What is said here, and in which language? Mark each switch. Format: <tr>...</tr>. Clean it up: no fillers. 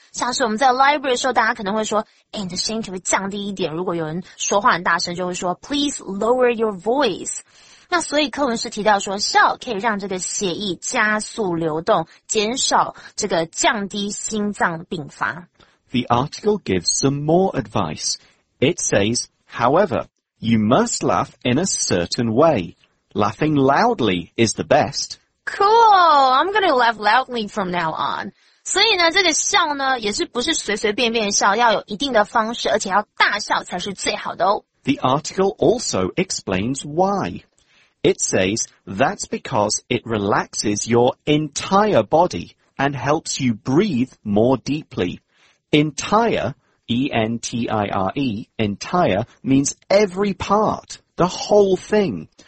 <zh>像是我们在 library 的时候，大家可能会说，诶，你的声音可不可以降低一点？如果有人说话很大声，就会说</zh> <en>please lower your voice。</en> <zh>那所以课文是提到说 shall 可以让这个血液加速流动，减少这个降低心脏病发。</zh> <en>The article gives some more advice. It says, however, you must laugh in a certain way. Laughing loudly is the best. Cool, I'm going to laugh loudly from now on.</en> <zh>所以呢，这个笑呢，也是不是随随便便笑，要有一定的方式，而且要大笑才是最好的哦。</zh> <en>The article also explains why. It says, that's because it relaxes your entire body and helps you breathe more deeply. Entire, E-N-T-I-R-E, entire means every part, the whole thing.</en>